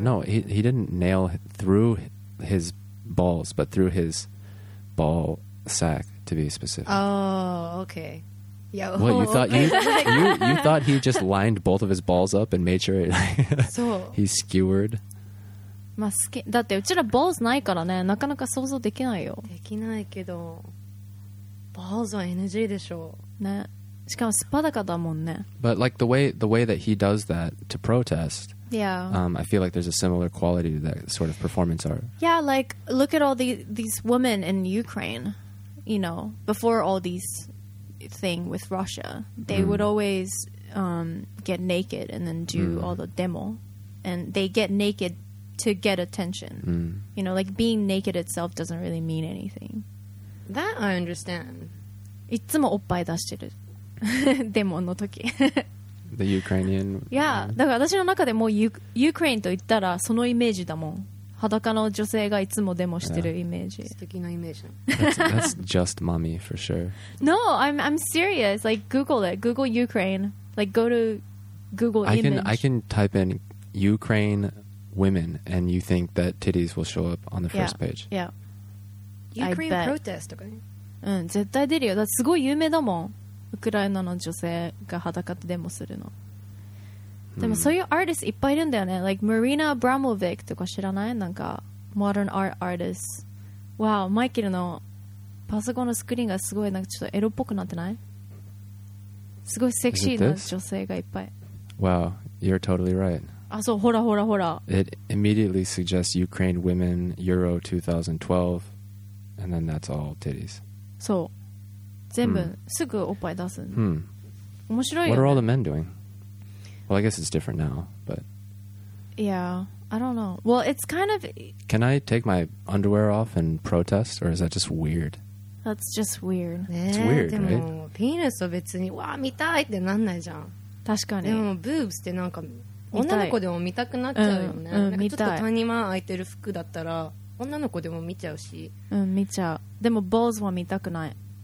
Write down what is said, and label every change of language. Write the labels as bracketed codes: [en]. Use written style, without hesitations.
[en] No, he didn't nail through his balls, but through his ball sack, to be specific. Oh, okay. Yeah. What, you thought you thought he just lined both of his balls up and made sure he skewered? [ja] まあ、だってうちら balls ないからねなかなか想像できないよできないけど balls は NG でしょう、ね、しかもスパダカだもんね [en] but like the way that he does that to protest yeah I feel like there's a similar quality to that sort of performance art yeah like look at all these women in Ukraine you know, before all these thing with Russia, they would always get naked and then do all the demo, and they get naked to get attention. You know, like being naked itself doesn't really mean anything. That I understand. [ja] いつもおっぱい出してる デモの時 [en] The Ukrainian [ja] Yeah だから私の中でもユークレインと言ったらそのイメージだもん裸の女性がいつもデモしてるイメージ素敵なイメージ [en] That's just mommy for sure No I'm serious Like Google it Google Ukraine Like go to Google I image I can type in Ukraine women And you think that titties will show up on the first page Yeah Ukraine protest [ja] とかねうん、絶対出るよだすごい有名だもんウクライナの女性が裸でデモするの、でもそういうアーティストいっぱいいるんだよね like Marina Abramovic とか知らないなんか [en] modern art artist wow [ja] マイケルのパソコンのスクリーンがすごいなんかちょっとエロっぽくなってないすごいセクシーな女性がいっぱい [en] wow you're totally right [ja] あそうほらほらほら [en] it immediately suggests Ukraine women Euro 2012 and then that's all titties [ja] そう全部すぐおっぱい出す、うん、面白いよ、ね、 [en] What are all the men doing? Well, I guess it's different now, but Yeah, I don't know Well, it's kind of Can I take my underwear off and protest? Or is that just weird? That's just weird、 [ja] ね、 [en] It's weird, [ja] でも [en] right? [ja] ピーナスは別にわー見たいってなんないじゃん確かにでもブーブスってなんか女の子でも見たくなっちゃうよね、うんうん、見たいなんかちょっと谷間空いてる服だったら女の子でも見ちゃうし、うん、見ちゃう。でも balls は見たくない。